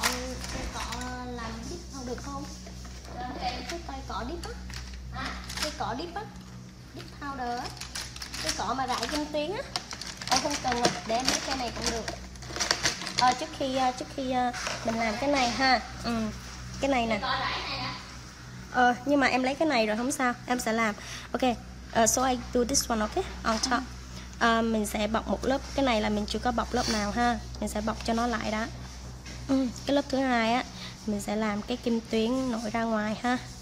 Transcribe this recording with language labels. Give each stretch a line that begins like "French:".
Vietnamese: Cây cọ làm dip không được không? Cái cây cọ dip á. Cây cọ dip á. lip powder á, cái cỏ mà rải trên tuyến á, em không cần để mấy cái này cũng được. À, trước khi mình làm cái này ha, cái này nè. Nhưng mà em lấy cái này rồi không sao, em sẽ làm.
English: Ok, so I do this one, ok, on top.
Vietnamese: Mình sẽ bọc một lớp, cái này là mình chưa có bọc lớp nào ha, mình sẽ bọc cho nó lại đó. Cái lớp thứ hai á, mình sẽ làm cái kim tuyến nổi ra ngoài ha.